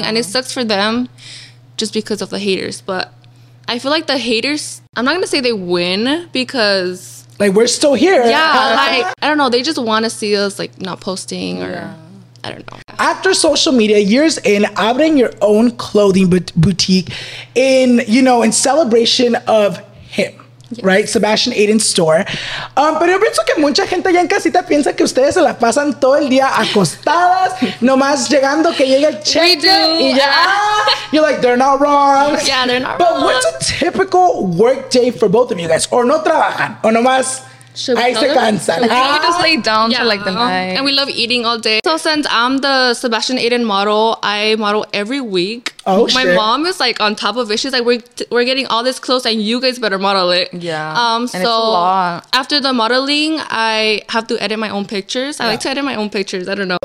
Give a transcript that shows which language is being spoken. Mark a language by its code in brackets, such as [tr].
[en] Yeah. And it sucks for them just because of the haters. But I feel like the haters, I'm not going to say they win because... like, we're still here. Yeah, like, I don't know. They just want to see us, like, not posting or... I don't know. After social media, years in, abren your own clothing boutique in, you know, in celebration of him. Yes. Right, Sebastian Aiden's store. [es] Pero yo pienso que mucha gente allá en casita piensa que ustedes se la pasan todo el día acostadas, nomás llegando que llegue el check. [en] We do. You're like, they're not wrong. Yeah, they're not but wrong. But what's a typical work day for both of you guys? [es] Or no trabajan, o nomás ahí se cansan. [en] I think we just lay down for like the night. And we love eating all day. So since I'm the Sebastian Aiden model, I model every week. Oh, my shit. Mom is like on top of it. She's like, we're getting all this clothes and you guys better model it. Yeah. And so it's a lot. After the modeling, I have to edit my own pictures. I like to edit my own pictures. I don't know.